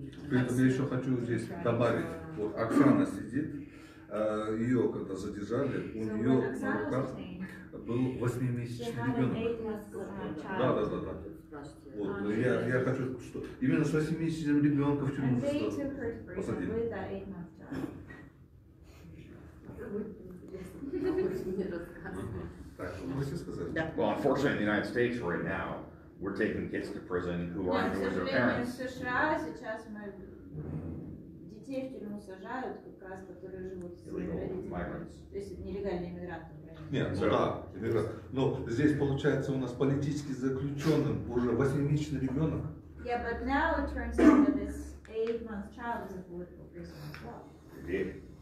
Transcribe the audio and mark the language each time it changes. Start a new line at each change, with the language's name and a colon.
Russian: При этом я еще хочу здесь добавить, вот Оксана сидит, ее когда задержали, у нее на руках был 8-месячный ребенок. Да. Вот, я хочу, что именно с 8-месячным ребенком в тюрьму посадили. Так, что вы хотите сказать?
English: Well, unfortunately, in the United States right now, we're taking kids to prison who aren't with their parents.
Russian: В США сейчас мы детей в тюрьму сажают, как раз, которые живут с родителями. То есть нелегальные иммигранты. Нет, да, иммигранты. Но здесь получается у нас политически заключенным уже 8-месячный ребенок.
English: Yeah, but now it turns out that this 8-month child is a political prisoner as well.